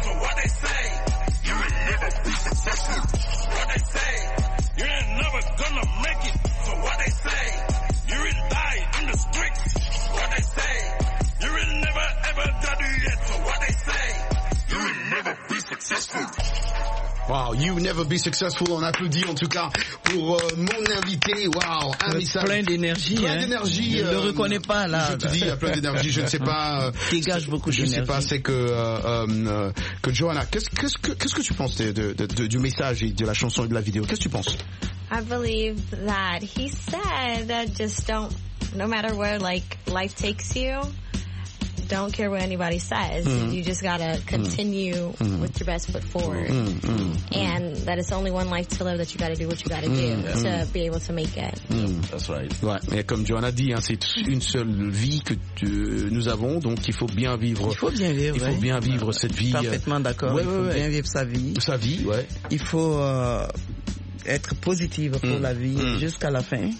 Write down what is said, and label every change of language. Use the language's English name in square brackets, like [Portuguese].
[English] So what they say, you will never be successful. What they say, you ain't never gonna make it. So what they say, you will die in the streets. What they say, you will never ever graduate. So what they say, you will never be successful. Wow, you never be successful. [French] On applaudit en tout cas pour mon invité. Wow, un message. Plein d'énergie. Plein d'énergie. Je le reconnais pas là. Je te dis, il y a plein d'énergie. Je ne sais pas. Dégage beaucoup d'énergie. Je ne sais pas. C'est que Johanna, qu'est-ce que tu penses de du message et de la chanson et de la vidéo? Qu'est-ce que tu penses? [English] I believe that he said that just don't, no matter where like life takes you. Don't care what anybody says. Mm-hmm. You just gotta continue mm-hmm. with your best foot forward. Mm-hmm. And that it's only one life to live, that you gotta do what you gotta mm-hmm. do mm-hmm. to be able to make it. Mm-hmm. That's right. [French] Ouais. Et comme Johanna dit, hein, c'est une seule vie que nous avons, donc il faut bien vivre. Il faut bien vivre. Il faut bien vivre cette vie. Parfaitement d'accord. Ouais, il faut bien vivre sa vie. Sa vie, ouais. Il faut être positive pour la vie jusqu'à la fin.